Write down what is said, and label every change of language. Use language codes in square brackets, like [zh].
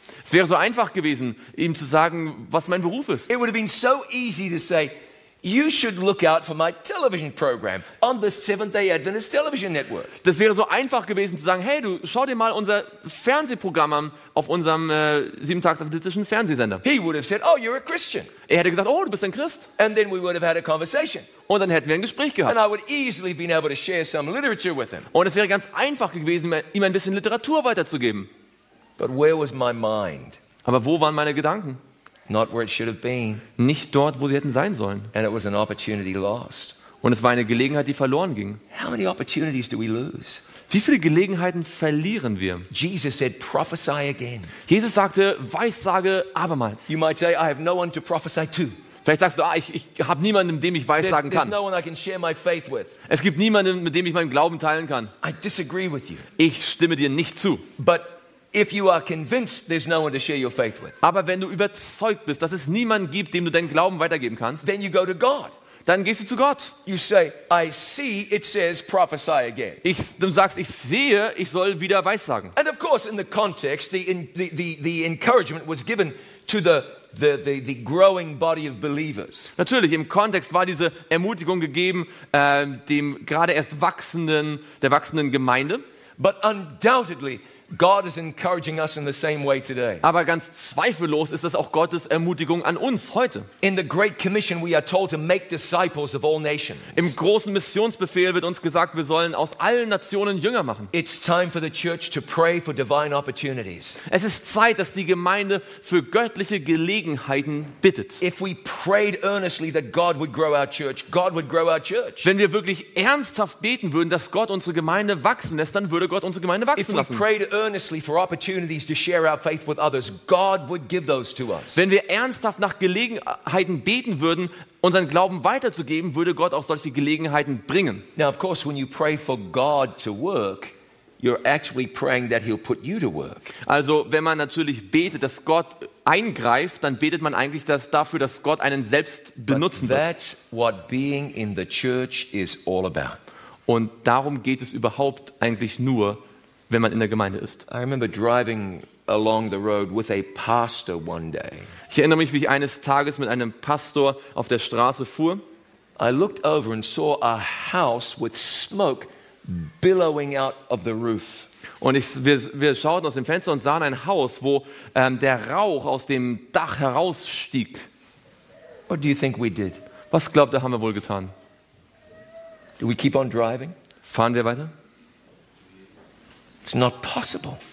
[de] Es wäre so einfach gewesen, ihm zu sagen, was mein Beruf ist. [en] It would have been so easy to say, you should look out for my television program on the Seventh-day Adventist television network. [de] Das wäre so einfach gewesen zu sagen, hey, du schau dir mal unser Fernsehprogramm an auf unserem siebentagsadventistischen Fernsehsender. [en] He would have said, oh, you're a Christian. [de] Er hätte gesagt, oh, du bist ein Christ. [en] And then we would have had a conversation. [de] Und dann hätten wir ein Gespräch gehabt. [en] And I would easily been able to share some literature with him. [de] Und es wäre ganz einfach gewesen, ihm ein bisschen Literatur weiterzugeben. [en] But where was my mind? [de] Aber wo waren meine Gedanken? [en] Not where it should have been. [de] Nicht dort, wo sie hätten sein sollen. [en] And it was an opportunity lost. [de] Und es war eine Gelegenheit, die verloren ging. [en] How many opportunities do we lose? [de] Wie viele Gelegenheiten verlieren wir? [en] Jesus said, prophesy again. [de] Jesus sagte, weissage abermals. [en] You might say, I have no one to prophesy to. [de] Vielleicht sagst du, ah, ich habe niemanden, mit dem ich weissagen kann. [en] There's no one I can share my faith with. [de] Es gibt niemanden, mit dem ich meinen Glauben teilen kann. [en] I disagree with you. [de] Ich stimme dir nicht zu. [en] But if you are convinced there's no one to share your faith with. [de] Aber wenn du überzeugt bist, dass es niemanden gibt, dem du deinen Glauben weitergeben kannst, [en] then you go to God. [de] Dann gehst du zu Gott. [en] You say, I see it says prophesy again. [de] Du sagst, ich sehe, ich soll wieder weissagen. [en] And of course in the context the encouragement was given to the growing body of believers. [de] Natürlich im Kontext war diese Ermutigung gegeben dem gerade erst wachsenden Gemeinde. [en] But undoubtedly God is encouraging us in the same way today. [de] Aber ganz zweifellos ist das auch Gottes Ermutigung an uns heute. [en] In the Great Commission we are told to make disciples of all nations. [de] Im großen Missionsbefehl wird uns gesagt, wir sollen aus allen Nationen Jünger machen. [en] It's time for the church to pray for divine opportunities. [de] Es ist Zeit, dass die Gemeinde für göttliche Gelegenheiten bittet. [en] If we prayed earnestly that God would grow our church, God would grow our church. [de] Wenn wir wirklich ernsthaft beten würden, dass Gott unsere Gemeinde wachsen lässt, dann würde Gott unsere Gemeinde wachsen lassen. [en] Earnestly for opportunities to share our faith with others, God would give those to us. [de] Wenn wir ernsthaft nach Gelegenheiten beten würden, unseren Glauben weiterzugeben, würde Gott auch solche Gelegenheiten bringen. [en] Now, of course, when you pray for God to work, you're actually praying that He'll put you to work. [de] Also, wenn man natürlich betet, dass Gott eingreift, dann betet man eigentlich dafür, dass Gott einen selbst benutzen wird. [en] But that's what being in the church is all about. [de] Und darum geht es überhaupt eigentlich nur, wenn man in der Gemeinde ist. [en] I remember driving along the road with a pastor one day. [de] Ich erinnere mich, wie ich eines Tages mit einem Pastor auf der Straße fuhr. [en] I looked over and saw a house with smoke billowing out of the roof. [de] Und wir schauten aus dem Fenster und sahen ein Haus, wo der Rauch aus dem Dach herausstieg. [en] What do you think we did? [de] Was glaubt ihr, haben wir wohl getan? [en] Do we keep on driving? [de] Fahren wir weiter? [en] It's not possible.